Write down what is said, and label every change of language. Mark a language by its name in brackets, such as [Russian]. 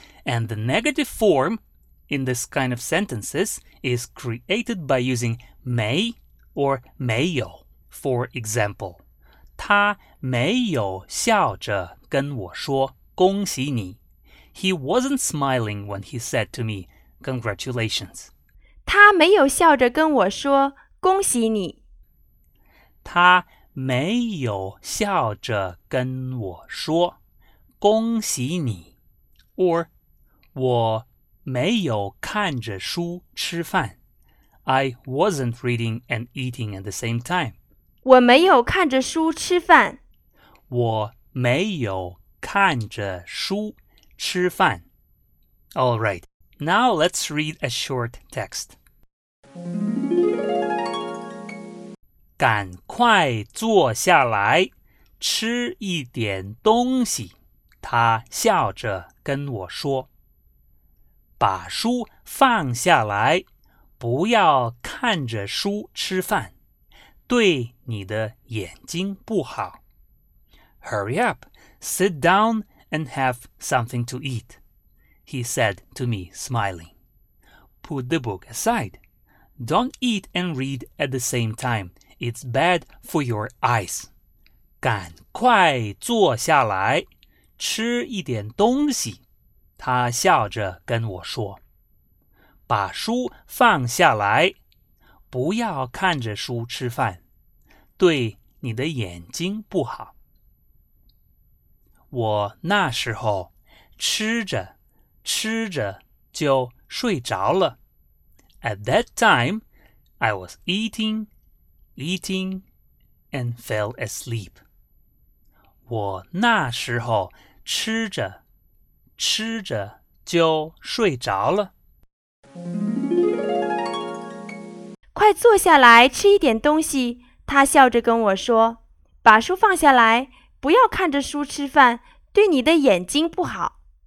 [English] And the negative form in this kind of sentences is created by using may or 没有 For example, [Chinese] 他没有笑着跟我说恭喜你。 [English] He wasn't smiling when he said to me, congratulations. [Chinese] 他没有笑着跟我说恭喜你。他没有笑着跟我说恭喜你。 Or, 我没有看着书吃饭。 [English] I wasn't reading and eating at the same time. [Chinese] 我没有看着书吃饭。我没有看着书吃饭。 [English] All right, now let's read a short text. [Chinese] 赶快坐下来吃一点东西。他笑着跟我说。把书放下来不要看着书吃饭。对你的眼睛不好。 [English] Hurry up, sit down and have something to eat, he said to me, smiling. Put the book aside. Don't eat and read at the same time. It's bad for your eyes. [Chinese] 赶快坐下来吃一点东西。他笑着跟我说。把书放下来不要看着书吃饭。对你的眼睛不好。我那时候吃着吃着就睡着了。 [English] At that time, I was eating, eating, and fell asleep. [Chinese] 我那时候吃着吃着就睡着了。快坐下来吃一点东西，他笑着跟我说。把书放下来不要看着书吃饭，对你的眼睛不好。